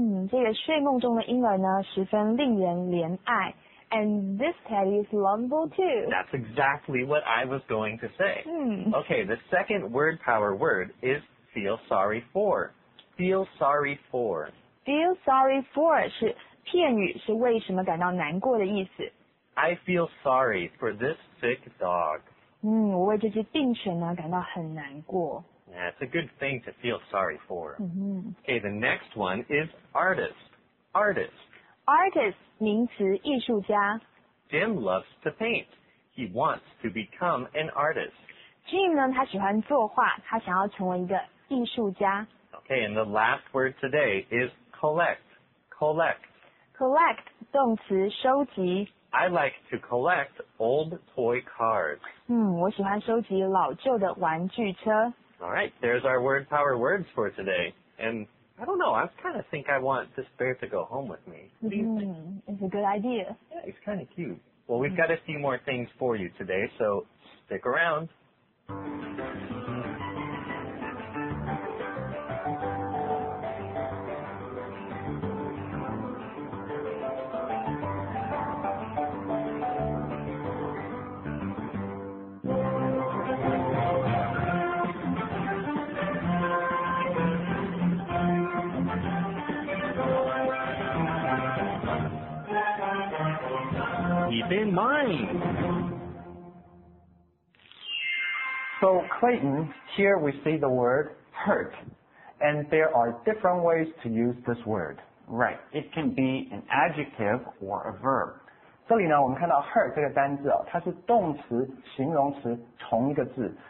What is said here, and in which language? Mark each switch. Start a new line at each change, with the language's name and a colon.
Chinese: 这个睡梦中的婴儿呢，十分令人怜爱。
English: And this teddy is lovable too. That's exactly what I was going to say. Okay, the second word power word is feel sorry for. Feel sorry for.
Chinese: Feel sorry for 是片语，是为什么感到难过的意思。
English: I feel sorry for this sick dog.
Chinese: 我为这只病犬呢感到很难过。
English: Yeah, it's a good thing to feel sorry for. Mm-hmm. Okay, the next one is artist. Artist.
Chinese: Artist, 名词艺术家。
English: Jim loves to paint. He wants to become an artist.
Chinese: Jim 呢他喜欢作画，他想要成为一个艺术家。
English: Okay, and the last word today is collect. Collect.
Chinese: Collect, 动词收集。
English: I like to collect old toy cars.
Chinese: 我喜欢收集老旧的玩具车。
English: Alright, there's our word power words for today. And... I don't know, I kind of think I want this bear to go home with me. It's a good idea. Yeah, it's kind of cute. Well, we've got a few more things for you today, so stick around. Keep in mind. So Clayton, here we see the word hurt, and there are different ways to use this word. Right. It can be an adjective or a verb.
Chinese: 这里呢，我们看到 hurt 这个单字哦，它是动词、形容词同一个字。